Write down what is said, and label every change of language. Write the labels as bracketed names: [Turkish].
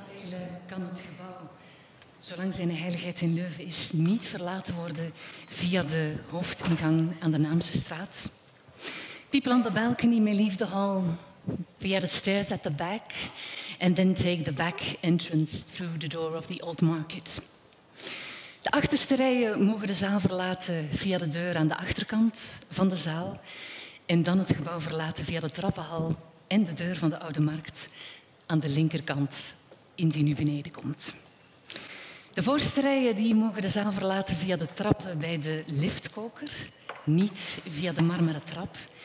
[Dutch] zijn, kan het gebouw, zolang zijn heiligheid in Leuven is, niet verlaten worden via de hoofdingang aan de Naamse straat. [English] People on the balcony may leave the hall via the stairs at the back and then take the back entrance through the door of the old market. [Dutch] De achterste rijen mogen de zaal verlaten via de deur aan de achterkant van de zaal en dan het gebouw verlaten via de trappenhal en de deur van de oude markt aan de linkerkant, indien u beneden komt. De voorste rijen die mogen de zaal verlaten via de trappen bij de liftkoker, niet via de marmeren trap.